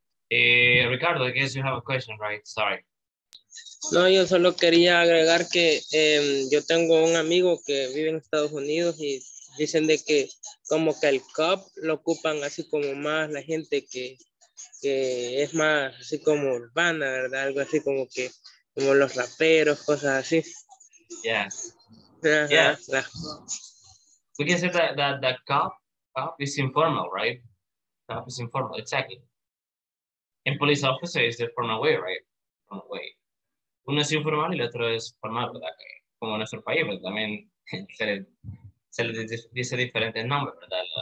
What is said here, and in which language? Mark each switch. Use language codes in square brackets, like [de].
[en] Ricardo, I guess you have a question, right? Sorry. [es] No, yo solo quería agregar que yo tengo un amigo que vive en Estados Unidos y dicen de que como que el cop lo ocupan así como más la gente que es más así como urbana, ¿verdad? Algo así como que, como los raperos, cosas así. [en] Yeah. Yeah. We can say that cop is informal, right? Cop is informal, exactly. And police officer is the formal way, right? Formal way. [es] Uno es informal y el otro es formal, ¿verdad? Como nuestro país, pero también se le dice diferentes nombres, ¿verdad?